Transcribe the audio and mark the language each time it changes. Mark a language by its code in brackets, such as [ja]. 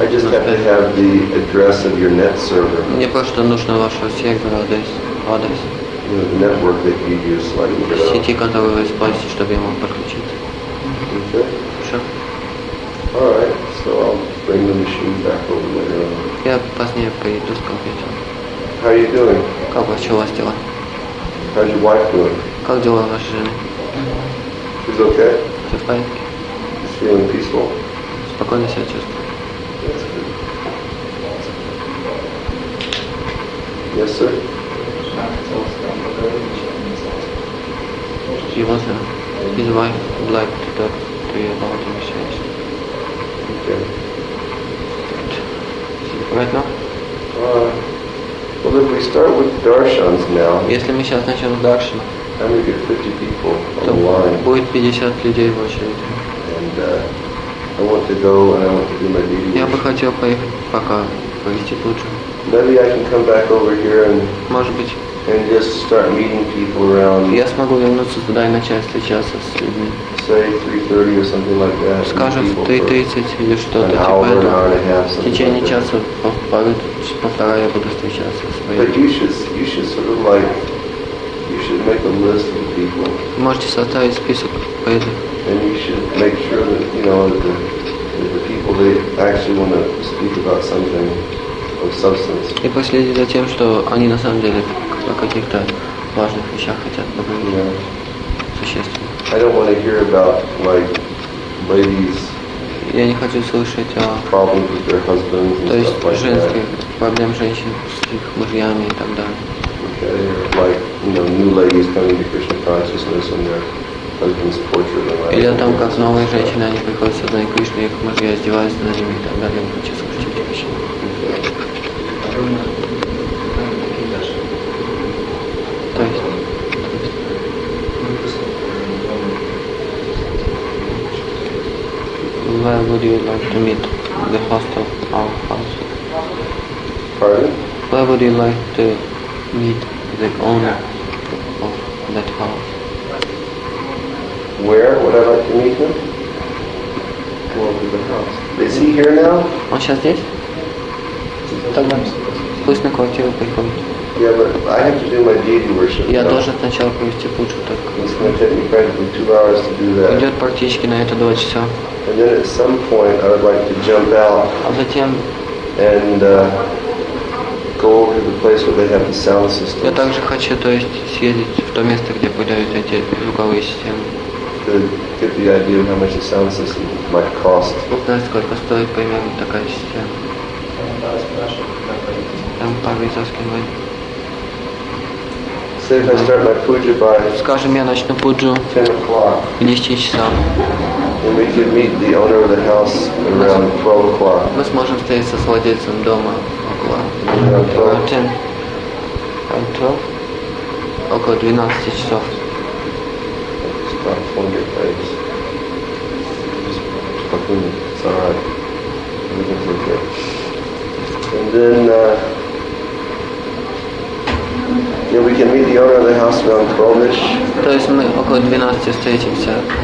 [en] I just have to have the address of your net server. [ru] Мне просто нужно ваш сервер адрес. [en] network that you use, like, you know. [ru] Сети, которые вы используете, чтобы ему подключить. [en] Okay. Sure. All right. So I'll bring the machine back over there. [ru] Я позднее приеду с компьютером. [en] How are you doing? [ru] Как вообще у вас дела? [en] How's your wife doing? [ru] Как дела у вашей жены? [en] She's okay. [ru] Все в порядке. [en] She's feeling peaceful. [ru] Спокойно себя чувствует. [en] That's good. Awesome. Yes, sir. He wants to. His wife would like to talk to you about the machine. Okay. Right now? Well, if we start with darshans now. [ru] Если мы сейчас начнем даршан. [en] Then we get 50 people online. [ru] Будет 50 людей в очереди. [en] And I want to go and I want to do my duty. [ru] Я бы хотел поехать пока повести лучше. [en] Maybe I can come back over here and. [ru] Может быть. [en] And just start meeting people around. [ru] Я смогу вернуться туда и начать встречаться с людьми. [en] Say 3:30 or something like that. [ru] Скажем, 3:30 или что-то типа этого. В течение часа полтора я буду встречаться с людьми. [en] But you should sort of like you should make a list of people. [ru] Можете составить список поэтов. [en] And you should make sure that you know that the people they actually want to speak about something of substance. [ru] И последить за тем, что они на самом деле о каких-то важных вещах хотят поговорить. [en] Yeah. [ru] Существенно. [en] I don't want to hear about, like, ladies. [ru] Я не хочу слышать о [en] problems with their husbands and [ru] то есть [en] stuff like [ru] женских [en] that. [ru] Проблем женщин с их мужьями и так далее. [en] Okay. Like, you know, new ladies coming to Krishna consciousness and their husbands torture them. Или о том, как новые женщины, они приходят со знания Кришны, их мужья издеваются над ними и так далее. Я не хочу слушать эти вещи. Where would you like to meet the host of our house? Pardon? Where would you like to meet the owner of that house? Where would I like to meet him? Well, to the house. Is he here now? [ru] Он сейчас здесь? Тогда пусть на квартиру приходит. [en] Yeah, but I have to do my deity worship. [ru] Я должен сначала провести пуджу так. [en] It's going to take me practically 2 hours to do that. [ru] Идет практически на это 2 часа. [en] And then at some point I would like to jump out. [ru] А затем. [en] And go over to the place where they have the sound system. [ru] Я также хочу, то есть, съездить в то место, где подают эти звуковые системы. [en] To get the idea of how much the sound system might cost. [ru] Узнать, сколько стоит примерно такая система. Там пару изыскивает. [en] Say if I start my puja by. [ru] Скажем, я начну пуджу. [en] 10 o'clock. [ru] 10 часам. [en] And we can meet the owner of the house around 12 o'clock. [ru] Мы сможем встретиться с владельцем дома около 12. Около 12 часов. [en] And then yeah, we can meet the owner of the house around 12-ish. [ru] То есть мы около 12 встретимся.